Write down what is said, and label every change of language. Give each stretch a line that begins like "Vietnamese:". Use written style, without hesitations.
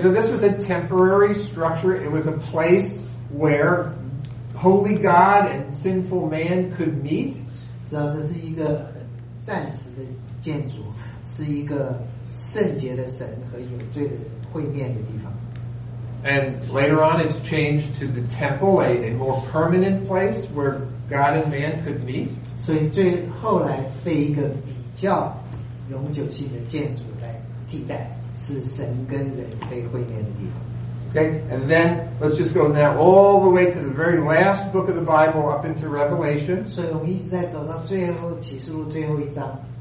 English: So this was a temporary structure, it was a place where holy God and sinful man could meet.
Chinese: 知道这是一个暂时的建筑, 是一个圣洁的神和有罪的人会面的地方。
English: And later on it's changed to the temple, a more permanent place where God and man could meet.
Chinese: 所以最后来被一个比较永久性的建筑来替代, 是神跟人可以会面的地方。
English: Okay, and then let's just go now all the way to the very last book of the Bible up into Revelation.
Chinese: 所以我们一直在走到最后启示录最后一章。